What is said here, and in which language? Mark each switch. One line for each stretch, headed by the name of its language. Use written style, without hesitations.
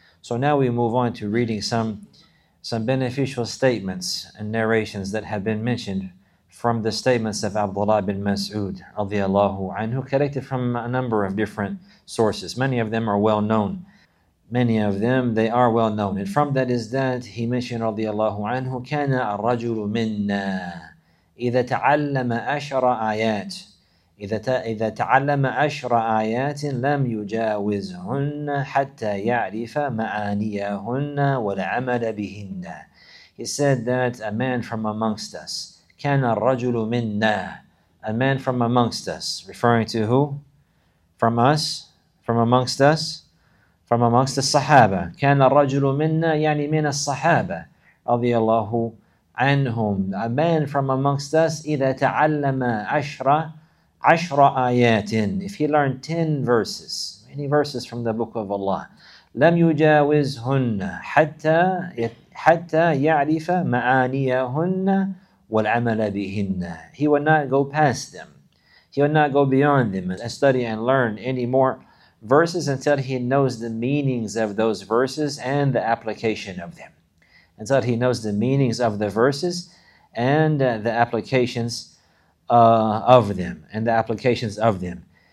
English: So now we move on to reading some beneficial statements and narrations that have been mentioned from the statements of Abdullah ibn Mas'ud radiyallahu anhu, collected from a number of different sources. Many of them are well known. many of them, they are well known. And from that is that he mentioned radiallahu anhu,
Arabic: كَانَ الرَّجُلُ مِنَّا إِذَا تَعَلَّمَ أَشْرَ آيَاتٍ إذا تعلم عشر آيات لم يجاوزهن حتى يعرف معانيهن والعمل بهن.
English: He said that a man from amongst us,
Arabic: كان الرجل منا,
English: a man from amongst us, referring to who? From us? From amongst us? From amongst the Sahaba.
Arabic: كان الرجل منا يعني من الصحابة رضي الله عنهم.
English: A man from amongst us,
Arabic: إذا تعلم عشر عشر آيات,
English: if he learned 10 verses, many verses from the book of Allah,
Arabic: لم يجاوزهن حتى يعرف معانيهن والعمل بهن,
English: he would not go past them, he would not go beyond them and study and learn any more verses until he knows the meanings of those verses and the application of them, until he knows the meanings of the verses and the applications of them and the applications of them.